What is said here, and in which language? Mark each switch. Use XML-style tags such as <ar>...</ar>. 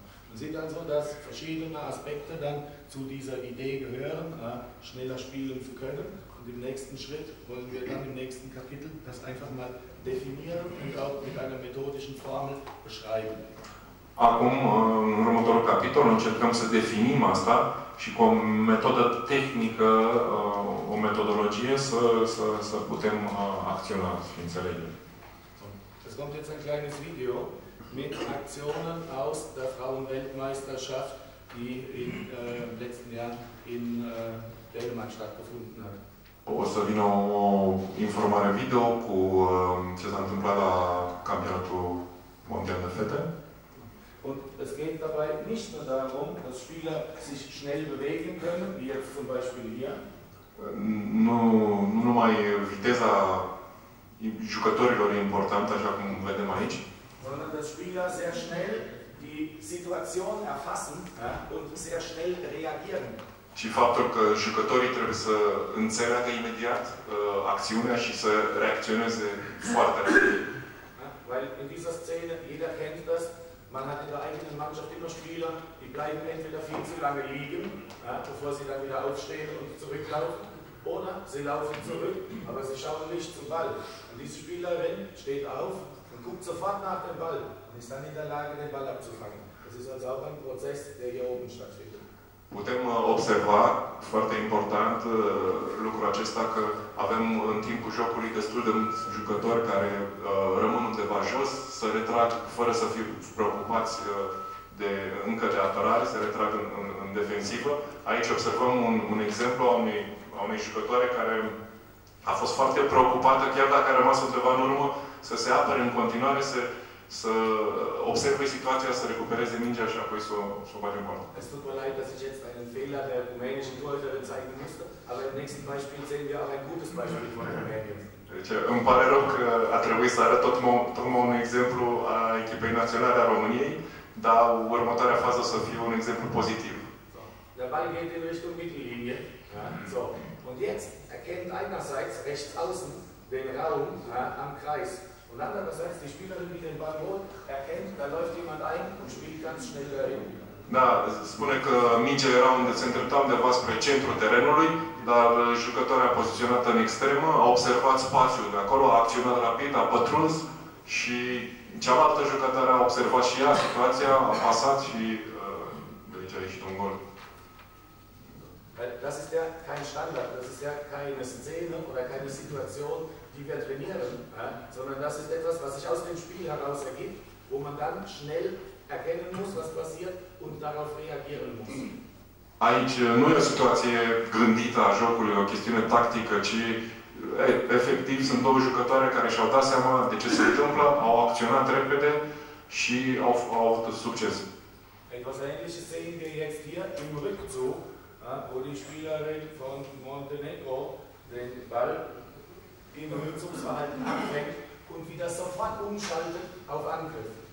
<de>Man sieht also, dass verschiedene Aspekte dann zu dieser Idee gehören, schneller spielen zu können. Und im nächsten Schritt wollen wir dann im nächsten Kapitel das einfach mal definieren und auch mit einer methodischen Formel beschreiben.</de> <ro>Acum, în următorul capitol, încercăm să definim asta și cu o metodă tehnică, o metodologie, să putem acționa, să înțelegem.</ro> <de>Es kommt jetzt ein kleines Video mit Aktionen aus der Frauenweltmeisterschaft, die in letzten Jahren in Dänemark stattgefunden hat.</de> <ro>O să vină o informare video cu ce s-a întâmplat la campionatul mondial de fete.</ro> <de>Und es geht dabei nicht nur darum, dass Spieler sich schnell bewegen können, wie jetzt zum Beispiel hier.</de> <ro>Nu numai viteza jucătorilor e importantă, așa cum vedem aici.</ro> <de>Sondern dass Spieler sehr schnell die Situation erfassen, ja, und sehr schnell reagieren.</de> <ro>Și faptul că jucătorii trebuie să înțeleagă imediat acțiunea și să reacționeze foarte rapid.</ro> <de>Weil in dieser Szene, jeder kennt das, man hat in der eigenen Mannschaft immer Spieler, die bleiben entweder viel zu lange liegen, ja, bevor sie dann wieder aufstehen und zurücklaufen, oder sie laufen zurück, aber sie schauen nicht zum Ball. Und diese Spielerin steht auf und guckt sofort nach dem Ball und ist dann in der Lage, den Ball abzufangen. Das ist also auch ein Prozess, der hier oben stattfindet.</de> <ro>Putem observa, foarte important, lucrul acesta, că avem în timpul jocului destul de mulți jucători care rămân undeva jos, se retrag fără să fie preocupați încă de apărare, se retrag în defensivă. Aici observăm un exemplu a unei jucătoare care a fost foarte preocupată, chiar dacă a rămas undeva în urmă, să se apere în continuare, să observe situația, să recupereze mingea și apoi să o bage în poartă.</ro> <de>Es tut mir leid, dass ich jetzt einen Fehler der rumänischen Torhüterin zeigen musste, aber im nächsten Beispiel sehen wir auch ein gutes Beispiel von Rumänien.</de> <ro>Deci, îmi pare rău că a trebuit să arăt tocmai un exemplu a echipei naționale a României, dar următoarea fază să fie un exemplu pozitiv.</ro> <de>Der Ball geht in Richtung Mittellinie. So. Und jetzt erkennt einerseits rechts außen den Raum am Kreis. Und andererseits, die Spielerin, die den Ball holt, erkennt, da läuft jemand ein und spielt ganz schnell dahin.</de> <ro>Da, spune că mingea era unde se îndrepta undeva spre centrul terenului, dar jucătoarea poziționată în extremă a observat spațiul de acolo, a acționat rapid, a pătruns și cealaltă jucătoare a observat și ea situația, a pasat și de aici a ieșit un gol.</ro> <de>Das ist ja kein Standard, das ist ja keine Szene oder keine Situation, die wir trainieren, ja? Sondern das ist etwas, was sich aus dem Spiel heraus ergibt, wo man dann schnell erkennen muss, was passiert und darauf reagieren muss.</de> <ro>Aici nu e o situație gândită a jocului, o chestiune tactică, ci efectiv sunt două jucătoare care și-au dat seama de ce se întâmplă, au acționat repede și au avut succes.</ro> <de>Etwas Ähnliches sehen wir jetzt hier im Rückzug, wo die Spielerin von Montenegro den Ball im Rückzugsverhalten anfängt und wieder sofort umschaltet auf Angriff.</de>